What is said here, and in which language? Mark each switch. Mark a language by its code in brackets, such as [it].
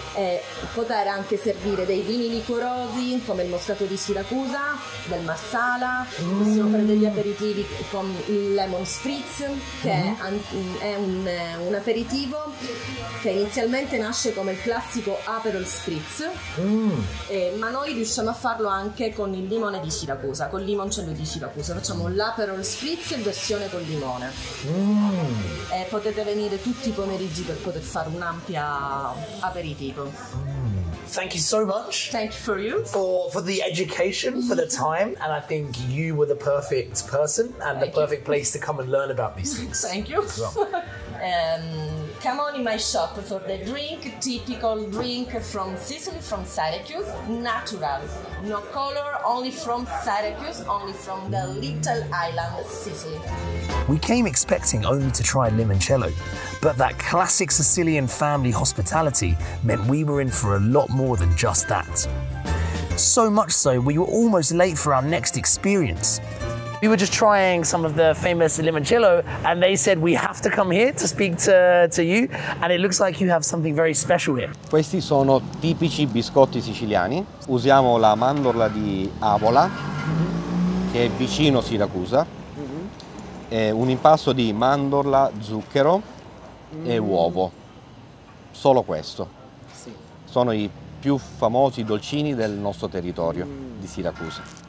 [it] E poter anche servire dei vini liquorosi come il moscato di Siracusa, del Marsala, possiamo fare degli aperitivi con il lemon spritz, che è un aperitivo che inizialmente nasce come il classico Aperol Spritz, ma noi riusciamo a farlo anche con il limone di Siracusa, con il limoncello di Siracusa. Facciamo l'Aperol Spritz in versione col limone. E potete venire tutti i pomeriggi per poter fare un ampio aperitivo. [en] Thank you so much. Thank you for you. For the education, for the time. And I think you were the perfect person and the you. Perfect place to come and learn about these things. Thank you. As well. Come on in my shop for the drink, typical drink from Sicily, from Syracuse, natural. No color, only from Syracuse, only from the little island Sicily. We came expecting only to try limoncello, but that classic Sicilian family hospitality meant we were in for a lot more than just that. So much so, we were almost late for our next experience. We were just trying some of the famous limoncello and they said we have to come here to speak to you, and it looks like you have something very special here. [it] Questi sono tipici biscotti siciliani. Usiamo la mandorla di Avola, che è vicino Siracusa. È un impasto di mandorla, zucchero e uovo. Solo questo. Sì. Sono i più famosi dolcini del nostro territorio di Siracusa.